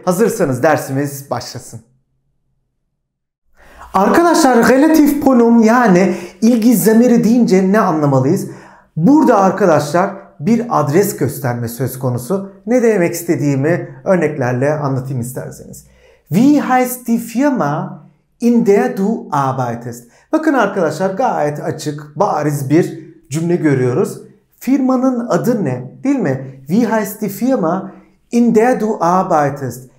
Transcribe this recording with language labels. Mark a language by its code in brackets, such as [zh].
[tr] Hazırsanız dersimiz başlasın. Arkadaşlar, relatif pronum yani ilgi zamiri deyince ne anlamalıyız? Burada arkadaşlar bir adres gösterme söz konusu. Ne demek istediğimi örneklerle anlatayım isterseniz. [de] Wie heißt die Firma, in der du arbeitest? [tr] Bakın arkadaşlar, gayet açık, bariz bir cümle görüyoruz. Firmanın adı ne? Değil mi? [de] Wie heißt die Firma, in der du arbeitest?